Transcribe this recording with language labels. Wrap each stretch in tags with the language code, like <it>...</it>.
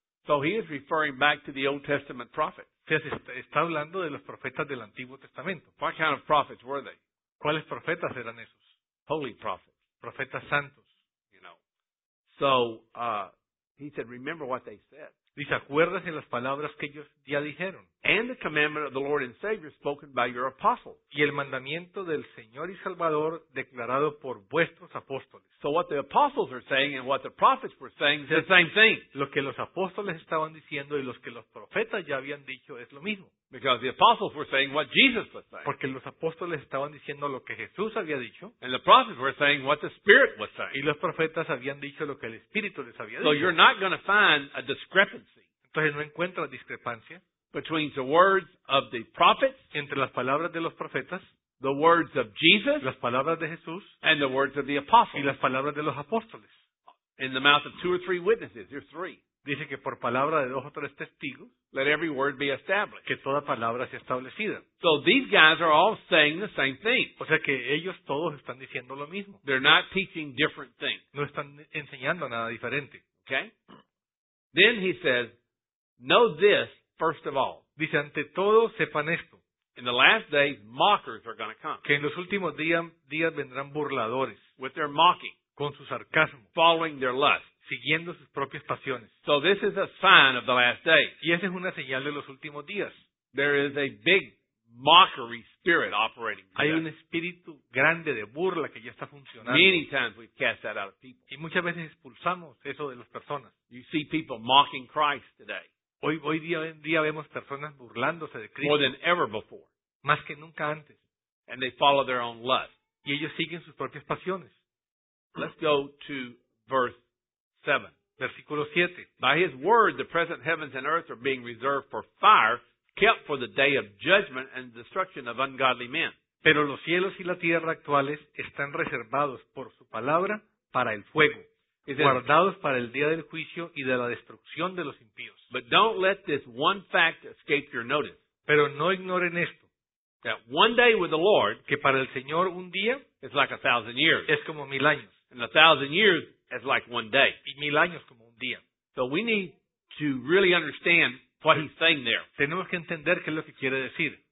<en>So he is referring back to the Old Testament prophets.</en> <es>Está hablando de los profetas del Antiguo Testamento.</es> <en>What kind of prophets were they?</en> <es>¿Cuáles profetas eran esos?</es> <en>Holy prophets.</en> <es>Profetas santos,</es> <en>you know. So he said, remember what they said.</en> <es>Dice, acuérdate las palabras que ellos ya dijeron.</es> <en>And the commandment of the Lord and Savior spoken by your apostles.</en> <es>Y el mandamiento del Señor y Salvador declarado por vuestros apóstoles.</es> <en>So what the apostles are saying and what the prophets were saying is the same thing.</en> <es>Lo que los apóstoles estaban diciendo y lo que los profetas ya habían dicho es lo mismo.</es> <en>Because the apostles were saying what Jesus was saying.</en> <es>Porque los apóstoles estaban diciendo lo que Jesús había dicho.</es> <en>And the prophets were saying what the Spirit was saying.</en> <es>Y los profetas habían dicho lo que el Espíritu les había dicho.</es> <en>So you're not going to find a discrepancy.</en> <es>Entonces no encuentras discrepancia.</es> <en>Between the words of the prophets.</en> <es>Entre las palabras de los profetas.</es> <en>The words of Jesus.</en> <es>Las palabras de Jesús.</es> <en>And the words of the apostles.</en> <es>Y las palabras de los apóstoles.</es> <en>In the mouth of two or three witnesses. There's three.</en> <es>Dice que por palabra de dos o tres testigos.</es> <en>Let every word be established.</en> <es>Que toda palabra sea establecida.</es> <en>So these guys are all saying the same thing.</en> <es>O sea que ellos todos están diciendo lo mismo.</es> <en>They're not teaching different things.</en> <es>No están enseñando nada diferente.</es> <en>Okay? Then he says, know this first of all.</en> <es>Dice, ante todo, sepan esto.</es> <en>In the last days, mockers are going to come.</en> <es>Que en los últimos días vendrán burladores.</es> <en>With their mocking.</en> <es>Con su sarcasmo.</es> <en>Following their lust.</en> <es>Siguiendo sus propias pasiones.</es> <en>So this is a sign of the last days.</en> <es>Y esa es una señal de los últimos días.</es> <en>There is a big mockery spirit operating.</en> <es>Hay un espíritu grande de burla que ya está funcionando.</es> <en>Many times we've cast that out of people.</en> <es>Y muchas veces expulsamos eso de las personas.</es> <en>You see people mocking Christ today.</en> <es>Hoy día vemos personas burlándose de Cristo.</es> <en>More than ever before.</en> <es>Más que nunca antes.</es> <en>And they follow their own lust.</en> <es>Y ellos siguen sus propias pasiones.</es> <en>Let's go to verse 7.</en> <es>Versículo 7.</es> <en>By his word, the present heavens and earth are being reserved for fire, kept for the day of judgment and destruction of ungodly men.</en> <es>Pero los cielos y la tierra actuales están reservados por su palabra para el fuego, guardados para el día del juicio y de la destrucción de los impíos.</es> <en>But don't let this one fact escape your notice.</en> <es>Pero no ignoren esto.</es> <en>That one day with the Lord,</en> <es>que para el Señor un día</es> <en>is like a thousand years.</en> <es>Es como mil años.</es> <en>And a thousand years is like one day.</en> <es>Y mil años como un día.</es> <en>So we need to really understand what he's saying there.</en> <es>Tenemos que entender qué es lo que quiere decir.</es>